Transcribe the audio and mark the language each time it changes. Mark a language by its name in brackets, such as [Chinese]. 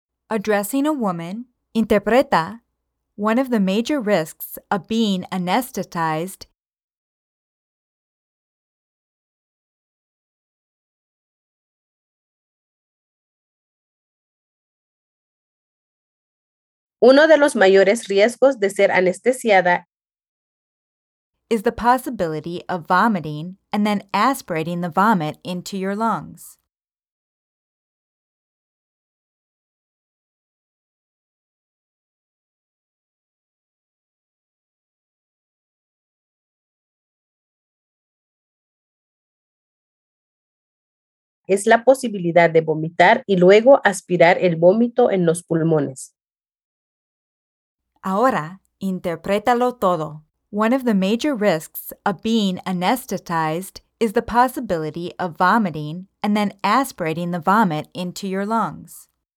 [English] Addressing a woman, interpreta, one of the major risks of being anesthetized [Spanish] uno de los mayores riesgos de ser anestesiada [English] is the possibility of vomiting and then aspirating the vomit into your lungs. [Spanish] Es la posibilidad de vomitar y luego aspirar el vómito en los pulmones. Ahora, interprétalo todo. [English] One of the major risks of being anesthetized is the possibility of vomiting and then aspirating the vomit into your lungs.